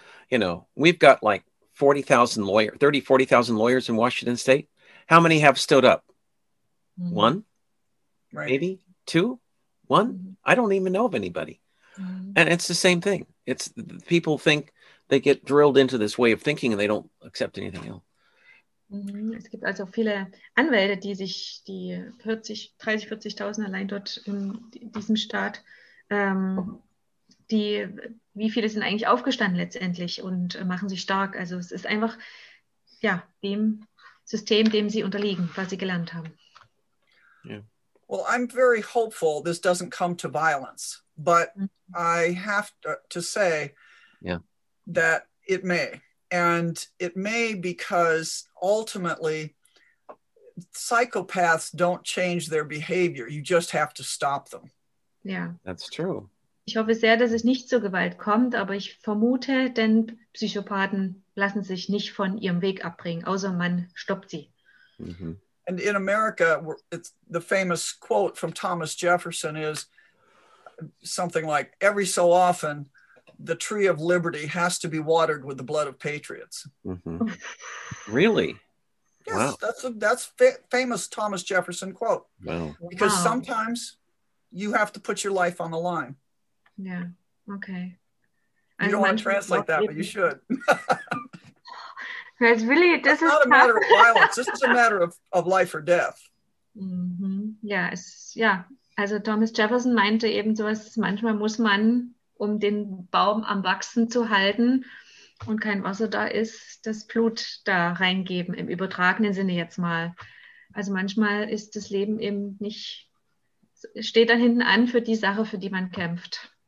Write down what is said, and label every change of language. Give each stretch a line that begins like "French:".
English: You know, we've got like 40,000 lawyers, 30,000, 40,000 lawyers in Washington State. How many have stood up? Mm-hmm. One? Right. Maybe two, one. Mm-hmm. I don't even know of anybody. Mm-hmm. And it's the same thing. It's people think they get drilled into this way of thinking and they don't accept anything else. Mm-hmm.
German: Es gibt also viele Anwälte, die sich die 30, 40.000 allein dort in diesem Staat, die, wie viele sind eigentlich aufgestanden letztendlich und machen sich stark. Also es ist einfach, dem System, dem sie unterliegen, was sie gelernt haben.
English: Yeah. Well, I'm very hopeful this doesn't come to violence, but I have to say that it may. And it may because ultimately psychopaths don't change their behavior. You just have to stop them. Yeah, that's true.
German: Ich hoffe sehr, dass es nicht zur Gewalt kommt, aber ich vermute, denn Psychopathen lassen sich nicht von ihrem Weg abbringen, außer man stoppt sie. Mm-hmm.
English: And in America, it's the famous quote from Thomas Jefferson is something like, every so often, the tree of liberty has to be watered with the blood of patriots. Mm-hmm. Really? Yes, wow. that's a famous Thomas Jefferson quote. Wow. Because wow. sometimes you have to put your life on the line. Yeah, okay. You don't want to translate that, but you should. That's really, this is not tough. A matter of violence. This is a matter of life or death.
German: Mm-hmm. Yeah, es, ja. Also Thomas Jefferson meinte eben sowas, manchmal muss man, um den Baum am Wachsen zu halten und kein Wasser da ist, das Blut da reingeben, im übertragenen Sinne jetzt mal. Also manchmal ist das Leben eben nicht, steht da hinten an für die Sache, für die man kämpft.